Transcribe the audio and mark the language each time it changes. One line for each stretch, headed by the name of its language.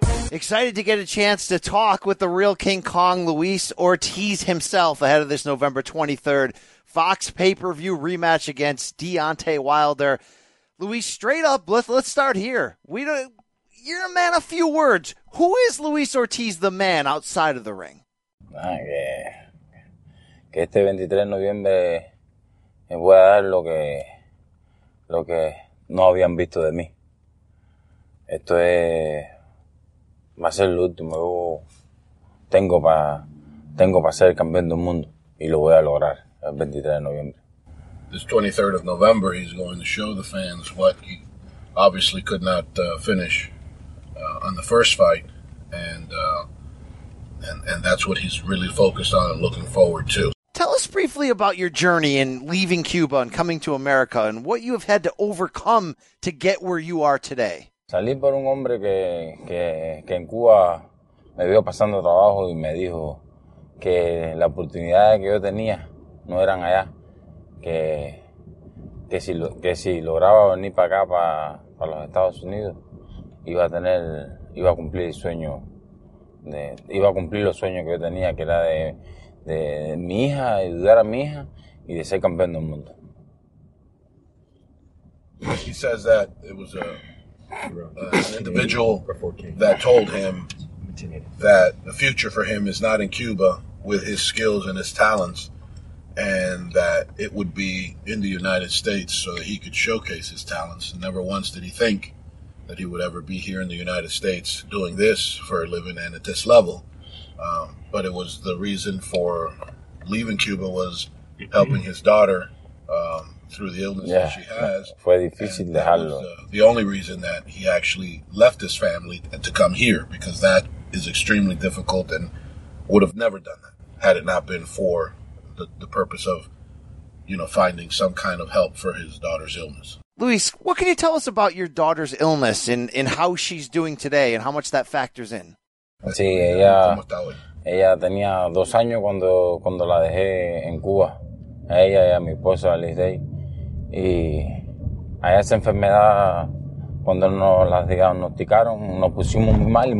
English: Excited to get a chance to talk with the real King Kong, Luis Ortiz himself, ahead of this November 23rd Fox pay-per-view rematch against Deontay Wilder. Luis, straight up, let's start here. You're a man of few words. Who is Luis Ortiz, the man, outside of the ring?
Spanish: Ay, que este 23 de noviembre voy a dar lo que no habían visto de mí. Esto es... Va a ser el último. Yo tengo pa ser campeón del mundo y lo voy a lograr el 23 de noviembre.
English: This 23rd of November, he's going to show the fans what he obviously could not finish on the first fight, and that's what he's really focused on and looking forward to. Tell us briefly about your journey in leaving Cuba and coming to America, and what you have had to overcome to get where you are today.
Spanish: Salí por un hombre que en Cuba me vio pasando trabajo y me dijo que las oportunidades que yo tenía no eran allá, que si lograba venir para acá, para los Estados Unidos, iba a cumplir los sueños que yo tenía, que era de mi hija, ayudar a mi hija y de ser campeón del mundo.
English: He says that it was a an individual that told him that the future for him is not in Cuba with his skills and his talents, and that it would be in the United States so that he could showcase his talents. Never once did he think that he would ever be here in the United States doing this for a living and at this level. But it was the reason for leaving Cuba was helping his daughter through the illness that she has.
Spanish: Fue difícil dejarlo.
English: That was the only reason that he actually left his family and to come here, because that is extremely difficult and would have never done that had it not been for the purpose of, you know, finding some kind of help for his daughter's illness. Luis, what can you tell us about your daughter's illness and how she's doing today and how much that factors in?
Spanish: Sí, ella tenía 2 años cuando la dejé en Cuba. A ella y a mi esposa, Liz Day. Y a esa enfermedad, cuando nos la diagnosticaron, nos pusimos muy mal.